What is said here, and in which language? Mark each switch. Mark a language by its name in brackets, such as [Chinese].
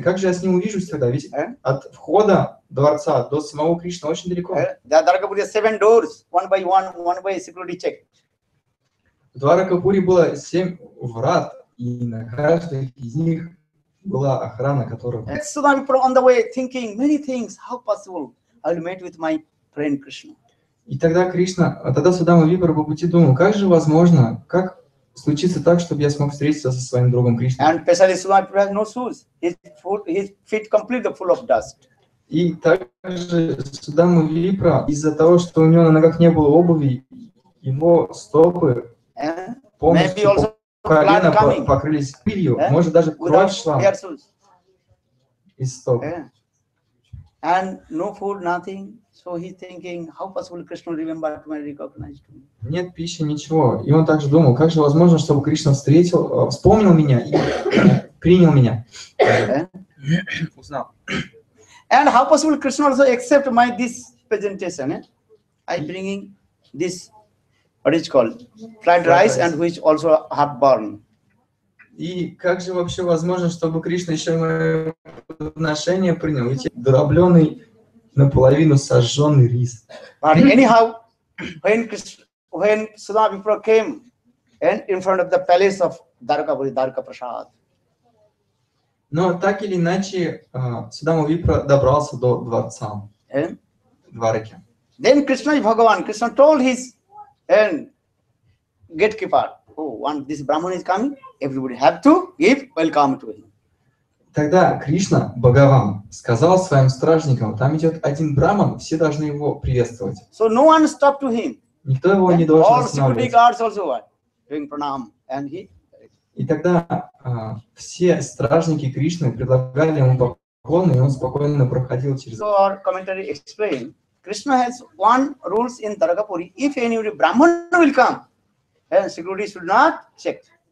[Russian] Как же я с ним увижусь тогда? Ведь от входа дворца до самого Кришны очень далеко. [English] Да, Дваракапури, 7 doors, one by security check. [Russian] В Дваракапури было 7 врат, и на каждой из них была охрана, которая... [English] And Srila Vipra on the way thinking many things, how possible I'll meet with my friend Krishna. [Russian] И тогда Кришна, а тогда Судама Випра по пути думал, как же возможно, как случится так, чтобы я смог встретиться со своим другом Кришной. [English] And especially Srila Vipra has no shoes. His feet completely full of dust. [Russian] И также Судама Випра, из-за того, что у него на ногах не было обуви, его стопы полностью по колено покрылись пылью. Может, даже кровь шла из стоп. [English] And no food, nothing. So he's thinking, how possible Krishna remember to my recognized to me? [Russian] Нет пищи, ничего. И он также думал, как же возможно, чтобы Кришна встретил, вспомнил меня и принял меня. Узнал. [English] And how possible Krishna also accept my this presentation? I bringing this, what is called, fried rice and which also have burn. [Russian] И как же вообще возможно, чтобы Кришна еще мое отношение принял? Ведь дробленый наполовину сожженный рис. [English] But anyhow, when Krishna, when Srila Vipra came and in front of the palace of Dwarkapuri, Dwarka Prasad. [Russian] Но так или иначе Судама Випра добрался до дворца. Двараки. [English] Then Krishna is Bhagavan. Krishna told his gatekeeper, "Oh, one this Brahman is coming. Everybody have to give welcome to him." [Russian] Тогда Кришна Бхагаван сказал своим стражникам: "Там идет один Браман, все должны его приветствовать." [English] So no one stopped to him. [Russian] Никто его не должен остановить. [English] All security guards also were doing pranam, and he. [Russian] И тогда все стражники Кришны предлагали ему поклоны, и он спокойно проходил через. [English] So our commentary explained, Krishna has one rules in Dwarkapuri. If any Brahman will come, and security should not check.